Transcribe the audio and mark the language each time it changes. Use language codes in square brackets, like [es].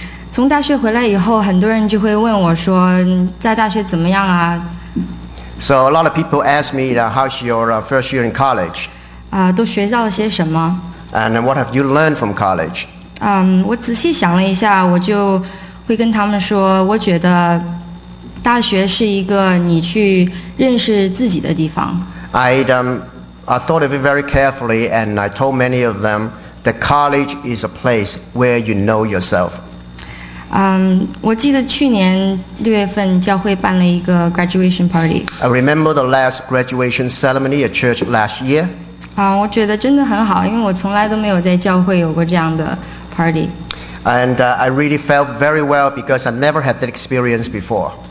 [zh] 从大学回来以后，很多人就会问我说，在大学怎么样啊？ [en] So a lot of people ask me, how's your first year in college? [zh] 都学到了些什么？ [en] And what have you learned from college? [zh] 我仔细想了一下，我就会跟他们说，我觉得大学是一个你去认识自己的地方。 [en] I thought of it very carefully, and I told many of them that college is a place where you know yourself. [zh] 我记得去年六月份教会办了一个 [en] graduation party. I remember the last graduation ceremony at church last year. [zh] 我觉得真的很好，因为我从来都没有在教会有过这样的 party. [en] And I really felt very well because I never had that experience before.